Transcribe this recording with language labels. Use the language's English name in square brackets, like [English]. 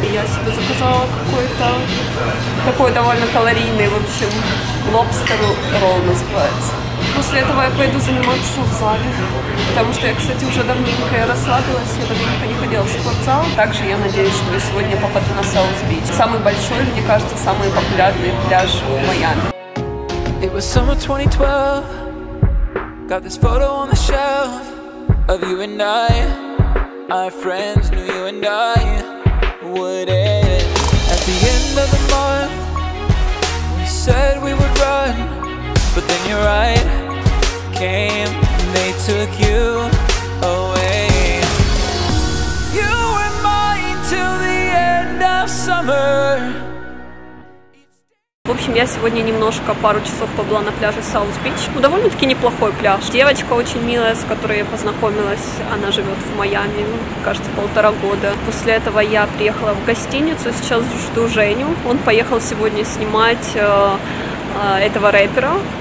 [Russian] Я себе заказала какой-то такой довольно калорийный, в общем, лобстер ролл называется. После этого я пойду заниматься в зале, потому что я, кстати, уже давненько я расслабилась, я давненько не ходила в спортзал. Также я надеюсь, что я сегодня попаду на South Beach. Самый большой, мне кажется, самый популярный пляж в Майами. [English] It was summer 2012. Got this photo on the shelf of you and I. Our friends knew you and I would end. At the end of the month, we said we would run. But then your ride came and they took you away. You were mine till the end of summer. [Russian] В общем, я сегодня немножко, пару часов побыла на пляже South Beach. Ну, довольно-таки неплохой пляж. Девочка очень милая, с которой я познакомилась. Она живет в Майами, кажется, 1.5 года. После этого я приехала в гостиницу. Сейчас жду Женю. Он поехал сегодня снимать этого рэпера.